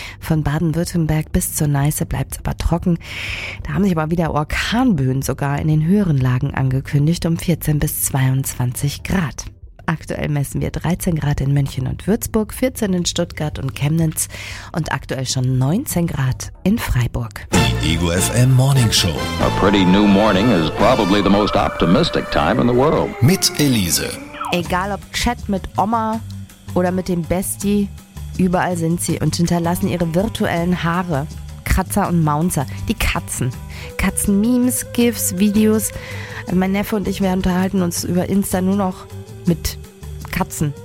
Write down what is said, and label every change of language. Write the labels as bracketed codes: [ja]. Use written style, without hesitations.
[de] Von Baden-Württemberg bis zur Neiße bleibt es aber trocken. Da haben sich aber wieder Orkanböen sogar in den höheren Lagen angekündigt um 14 bis 22 Grad. Aktuell messen wir 13 Grad in München und Würzburg, 14 in Stuttgart und Chemnitz und aktuell schon 19 Grad in Freiburg. Die Ego FM Morning Show. [en] A pretty new morning is probably the most optimistic time in the world. [de] Mit Elise. Egal ob Chat mit Oma oder mit dem Bestie, überall sind sie und hinterlassen ihre virtuellen Haare. Katzer und Maunzer, die Katzen. Katzen-Memes, GIFs, Videos. Mein Neffe und ich, wir unterhalten uns über Insta nur noch mit Katzen.